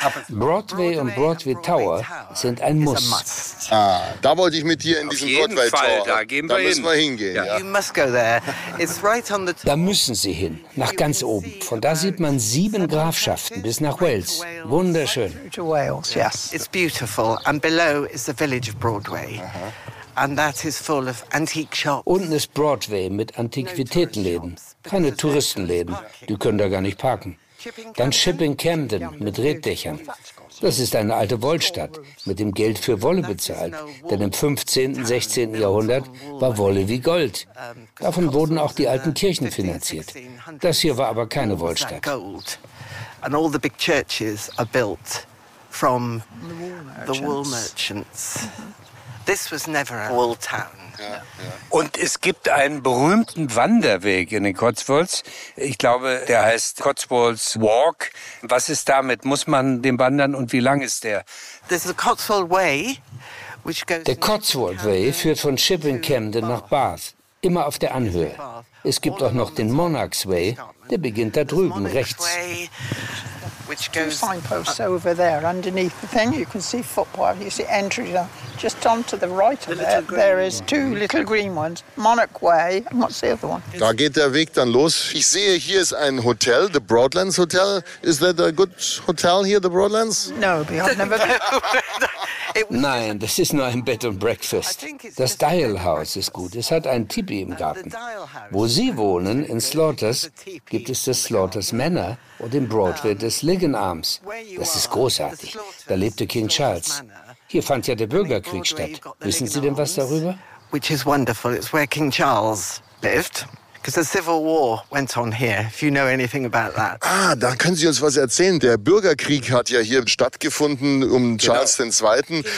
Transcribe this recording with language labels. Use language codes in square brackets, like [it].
[de] Broadway und Broadway Tower sind ein Muss. Ah, da wollte ich mit dir in diesen Broadway Tower. Auf jeden Fall, da gehen wir hin. Da müssen wir hingehen. Ja. [en] You must go there. It's right on the. [de] Da müssen Sie hin, nach ganz oben. Von da sieht man 7 Grafschaften bis nach Wales. Wunderschön. [en] To Wales, yes. It's beautiful. And below is the village of Broadway. And that is full of antique shops. [de] Unten ist Broadway mit Antiquitätenläden. Keine Touristenläden. Die können da gar nicht parken. Dann Shipping Camden mit Reetdächern. Das ist eine alte Wollstadt, mit dem Geld für Wolle bezahlt. Denn im 15., 16. Jahrhundert war Wolle wie Gold. Davon wurden auch die alten Kirchen finanziert. Das hier war aber keine Wollstadt. [en] And all the big churches are built from the wool merchants. This was never a wool town. [de] Und es gibt einen berühmten Wanderweg in den Cotswolds. Ich glaube, der heißt Cotswolds Walk. Was ist damit? Muss man den wandern und wie lang ist der? Der Cotswold Way führt von Shipping Camden nach Bath, immer auf der Anhöhe. Es gibt auch noch den Monarchs Way, der beginnt da drüben rechts. [en] Which goes signposts over there underneath the thing. You can see footpath, you see entry there. Just on to the right of there, there is two little green ones. Monarch Way, and what's the other one? [de] Da geht der Weg dann los. Ich sehe, hier ist ein Hotel, the Broadlands Hotel. [en] Is that a good hotel here, the Broadlands? No, I've never been. [de] Nein, das ist nur ein Bed and Breakfast. Das Dial House ist gut. Es hat einen Tipi im Garten. Wo Sie wohnen, in Slaughter's, gibt es das Slaughter's Manor und im Broadway des Ligon Arms. Das ist großartig. Da lebte King Charles. Hier fand ja der Bürgerkrieg statt. Wissen Sie denn was darüber? [en] Which is wonderful. It's where King Charles lived. Because the Civil War went on here, if you know anything about that. [de] Ah, da können Sie uns was erzählen. Der Bürgerkrieg hat ja hier stattgefunden um Charles II.